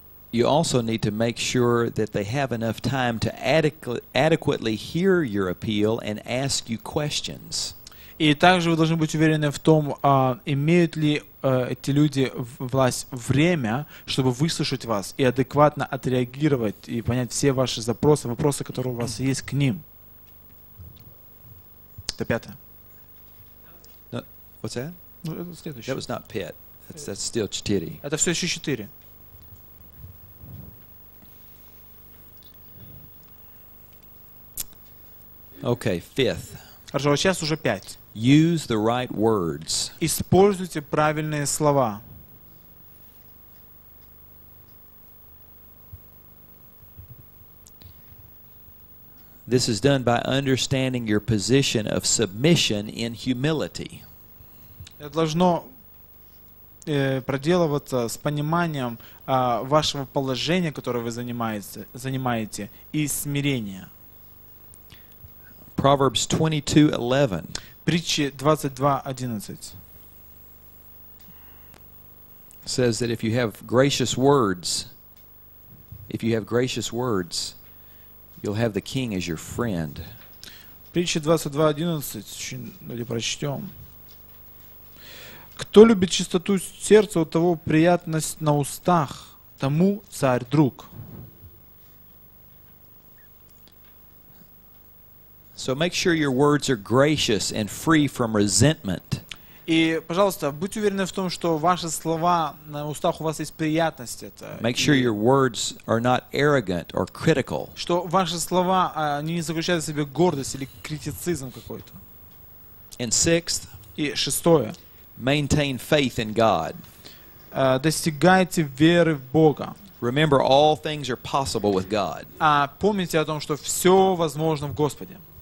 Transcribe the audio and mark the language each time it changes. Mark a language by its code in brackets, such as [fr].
[en] You also need to make sure that they have enough time to adequately hear your appeal and ask you questions. [ru] И также вы должны быть уверены в том, имеют ли эти люди власть время, чтобы выслушать вас и адекватно отреагировать и понять все ваши запросы, вопросы, которые у вас есть к ним. Это пятое. [en] No, what's that? [ru] Ну, это следующее. [en] That was not pet. That's still [ru] четыре. Это все еще четыре. [en] Okay, fifth. [ru] Хорошо, сейчас уже 5. [en] Use the right words. [ru] Используйте правильные слова. [en] This is done by understanding your position of submission in humility. [ru] Это должно проделываться с пониманием вашего положения, которое вы занимаете, и смирения. [en] Proverbs 22:11. [ru] Притчи 22:11. [en] Says that if you have gracious words, if you have gracious words, you'll have the king as your friend. [ru] Притчи 22:11. Давайте прочтем. Кто любит чистоту сердца, у того приятность на устах, тому царь друг. [en] So make sure your words are gracious and free from resentment. [ru] И, пожалуйста, будьте уверены в том, что ваши слова на устах у вас есть приятность. Это. [en] Make sure your words are not arrogant or critical. [ru] Что ваши слова не заключают в себе гордость или критицизм какой-то. [en] And sixth. [ru] И шестое. [en] Maintain faith in God. [ru] Достигайте веры в Бога. [en] Remember, all things are possible with God. [ru] Помните о том, что все возможно в Господе.